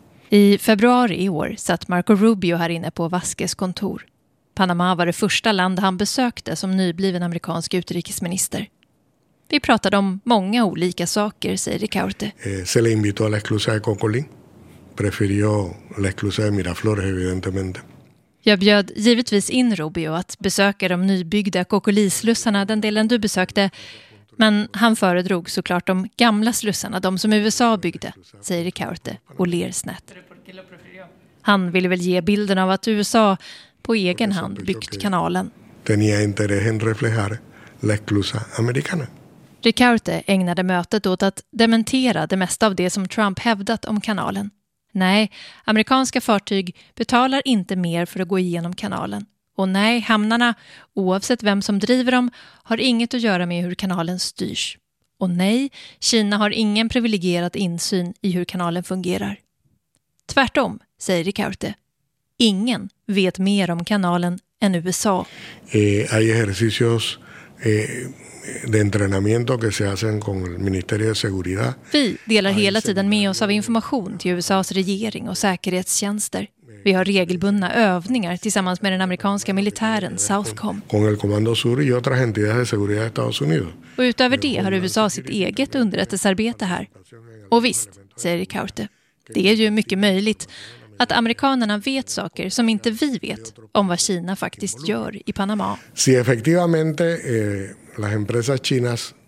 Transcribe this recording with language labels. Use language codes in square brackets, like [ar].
[sv] I februari i år satt Marco Rubio här inne på Vázquez kontor. Panama var det första land han besökte som nybliven amerikansk utrikesminister. Vi pratade om många olika saker, säger Ricaurte. [es] Se le invitó a la esclusa de Cocolín. Prefirió la esclusa de Miraflores, evidentemente. [sv] Jag bjöd givetvis in Rubio att besöka de nybyggda Cocolí-slussarna, den delen du besökte. Men han föredrog såklart de gamla slussarna, de som USA byggde, säger Ricaurte och ler snett. Han ville väl ge bilden av att USA på egen hand byggt kanalen. [es] Tenía interés en reflejar la esclusa americana. [sv] Ricaurte ägnade mötet åt att dementera det mesta av det som Trump hävdat om kanalen. Nej, amerikanska fartyg betalar inte mer för att gå igenom kanalen. Och nej, hamnarna, oavsett vem som driver dem, har inget att göra med hur kanalen styrs. Och nej, Kina har ingen privilegierad insyn i hur kanalen fungerar. Tvärtom, säger Ricaurte. Ingen vet mer om kanalen än USA. [es] Hay ejercicios de entrenamiento que se hacen con el Ministerio de Seguridad. [sv] Vi delar hela tiden med oss av information till USA:s regering och säkerhetstjänster. Vi har regelbundna övningar tillsammans med den amerikanska militären Southcom. [es] Con el Comando Sur y otras entidades de seguridad de Estados Unidos. [sv] Och utöver det har USA sitt eget underrättelsearbete här. Och visst, säger Ricaurte. Det är ju mycket möjligt att amerikanerna vet saker som inte vi vet om vad Kina faktiskt gör i Panama. [es] Si efectivamente las empresas chinas.